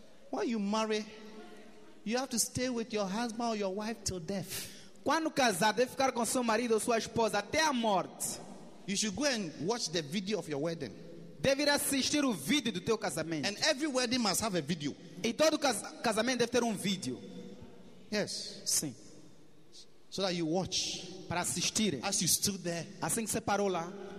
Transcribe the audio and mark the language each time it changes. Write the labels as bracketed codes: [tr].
[en] When you marry, you have to stay with your husband or your wife till death. [pt] Quando casar, deve ficar com seu marido ou sua esposa até a morte. [en] You should go and watch the video of your wedding. [pt] Deve assistir o vídeo do teu casamento. [en] And every wedding must have a video. [pt] E todo casamento deve ter vídeo. [en] Yes. [pt] Sim. [en] So that you watch. [pt] Para assistir. [en] As you stood there. [pt] Assim que você parou lá.